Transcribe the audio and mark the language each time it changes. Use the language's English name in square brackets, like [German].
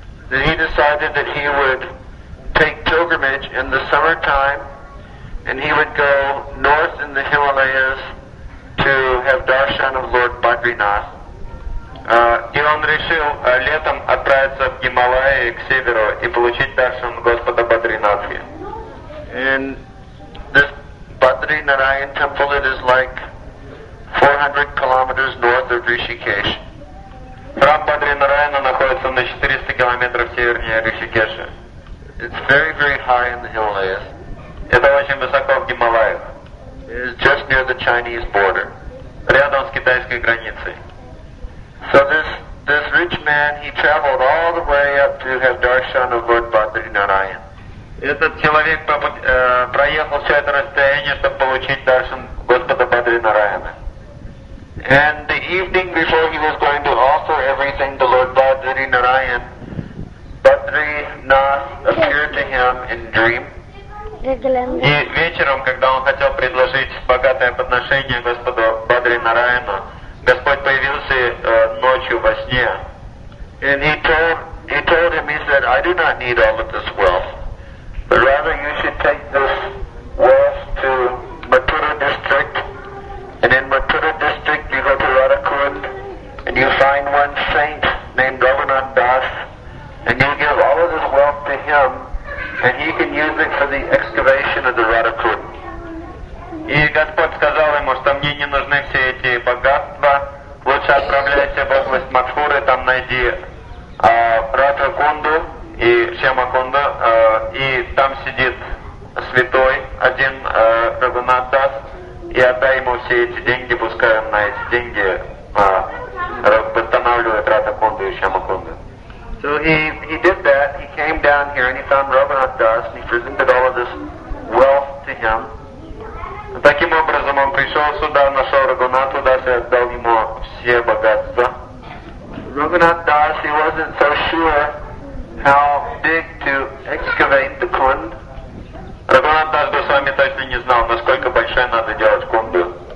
[English] Then he decided that he would take pilgrimage in the summertime, and he would go north in the Himalayas to have darshan of Lord Badrinath. [Russian] И он решил летом отправиться в Гималаи к северу и получить даршан Господа Бадринатхи. [English] And this Badrinarayan temple, it is like 400 kilometers north of Rishikesh. [Russian] Храм Бадринарайана находится на 400 километров севернее Ришикеша. [English] It's very, very high in the Himalayas. [Russian] Это очень высоко в Гималаях. [English] It is just near the Chinese border. [Russian] Рядом с китайской границей. [English] So this rich man, he traveled all the way up to have darshan of Lord Badrinarayan. [Russian] Этот человек проехал все это расстояние, чтобы получить даршан Господа Бадринарайана. [English] And the evening before he was going to offer everything to Lord Badrinarayan, Badrinath appeared to him in dream. [Russian] И вечером, когда он хотел предложить богатое подношение Господу Бадринарайану, Господь появился ночью во сне. [English] And he told him, he said, I do not need all of this wealth. But rather you should take this wealth to Mathura district. And in Mathura district you go to Radhakund and you find one saint named Raghunath Das, and you give all of this wealth to him, and he can use it for the excavation of the Radhakund. [Russian] И Господь сказал ему, что мне не нужны все эти богатства, лучше отправляйся в область Матхуры, там найди Радхакунду и Шьямакунду, и там сидит святой один Рагунат Дас, и отдай ему все эти деньги, пускай он на эти деньги восстанавливает Радхакунду и Шьямакунду. [English] So he did that, he came down here and he found Рагунат Дас, and he presented all of this wealth to him. [Russian] Таким образом, он пришел сюда, нашел Рагунату Даса и отдал ему все богатства. [English] Рагунат Дас, he wasn't so sure how big to excavate the kund. [Russian] Рагунат Дас бы с вами точно не знал, насколько большой надо делать кунду.